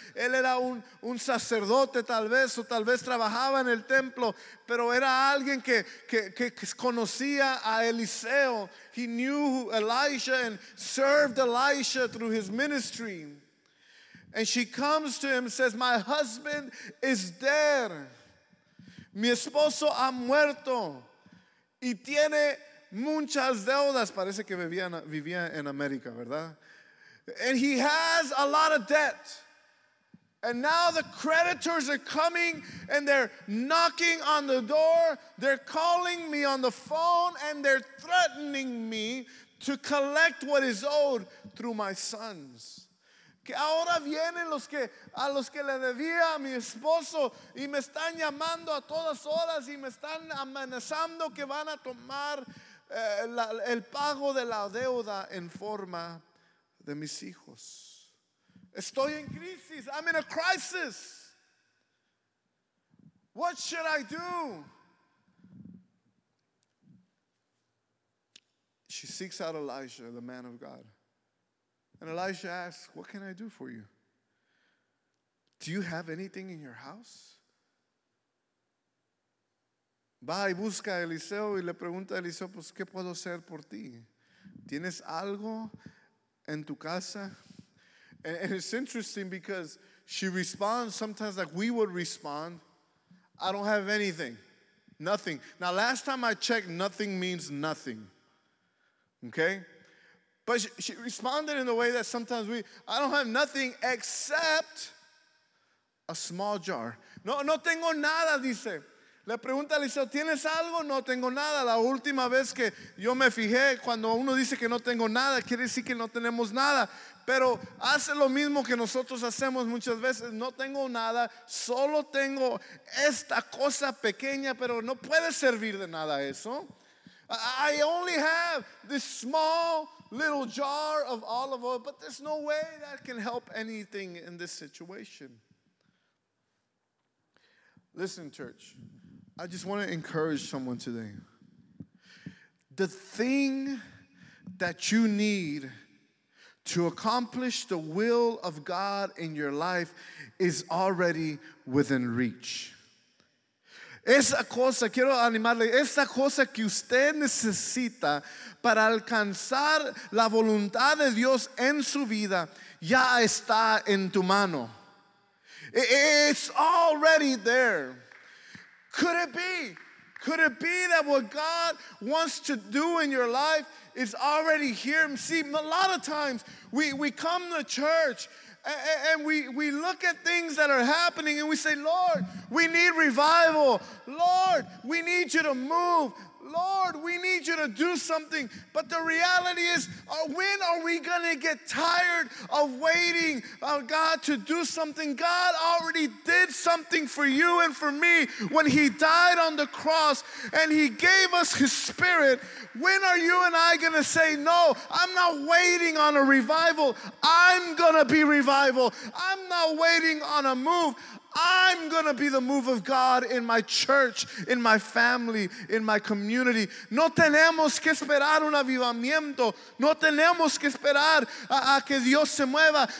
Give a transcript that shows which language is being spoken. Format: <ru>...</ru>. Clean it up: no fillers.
<es>Él era un sacerdote tal vez, o tal vez trabajaba en el templo, pero era alguien que conocía a Eliseo.</es> <en>He knew Elijah and served Elijah through his ministry. And she comes to him and says, my husband is dead.</en> <es>Mi esposo ha muerto. Y tiene muchas deudas. Parece que vivía en América, ¿verdad?</es> <en>And he has a lot of debt. And now the creditors are coming and they're knocking on the door. They're calling me on the phone and they're threatening me to collect what is owed through my sons.</en> <es>Que ahora vienen a los que le debía a mi esposo y me están llamando a todas horas y me están amenazando que van a tomar el pago de la deuda en forma de mis hijos. Estoy en crisis.</es> <en>I'm in a crisis. What should I do? She seeks out Elijah, the man of God. And Elijah asks, what can I do for you? Do you have anything in your house?</en> <es>Va y busca a Eliseo y le pregunta a Eliseo, pues, ¿qué puedo hacer por ti? ¿Tienes algo en tu casa?</es> <en>And it's interesting because she responds sometimes like we would respond, I don't have anything, nothing. Now, last time I checked, nothing means nothing, okay? But she responded in the way that sometimes I don't have nothing except a small jar.</en> <es>No, no tengo nada, dice. Le pregunta a Eliseo, ¿tienes algo? No tengo nada. La última vez que yo me fijé, cuando uno dice que no tengo nada, quiere decir que no tenemos nada. Pero hace lo mismo que nosotros hacemos muchas veces. No tengo nada, solo tengo esta cosa pequeña, pero no puede servir de nada eso.</es> <en>I only have this small little jar of olive oil, but there's no way that can help anything in this situation. Listen, church, I just want to encourage someone today. The thing that you need to accomplish the will of God in your life is already within reach.</en> <es>Esa cosa, quiero animarle, esa cosa que usted necesita para alcanzar la voluntad de Dios en su vida, ya está en tu mano.</es> <en>It's already there. Could it be that what God wants to do in your life is already here. See, a lot of times we come to church and we look at things that are happening and we say, Lord, we need revival. Lord, we need you to move. Lord, we need you to do something. But the reality is, when are we going to get tired of waiting on God to do something? God already did something for you and for me when he died on the cross and he gave us his spirit. When are you and I going to say, no, I'm not waiting on a revival. I'm going to be revival. I'm not waiting on a move. I'm going to be the move of God in my church, in my family, in my community.</en> <es>No tenemos que esperar un avivamiento. No tenemos que esperar a que Dios se mueva.</es>